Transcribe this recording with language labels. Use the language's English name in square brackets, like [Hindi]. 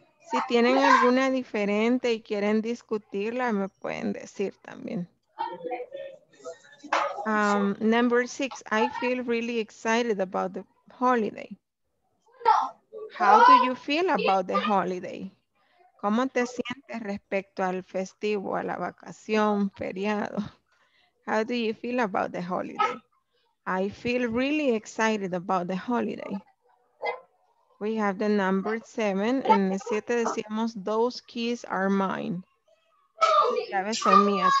[Spanish] Si tienen alguna diferente y quieren discutirla, me pueden decir también. [English] Number six, I feel really excited about the holiday. How do you feel about the holiday? [Spanish] ¿Cómo te sientes respecto al festivo, a la vacación, feriado? [English] How do you feel about the holiday? I feel really excited about the holiday. We have the number seven. [Spanish] En el siete decíamos, [English] those keys are mine. [Spanish] Llaves son mías.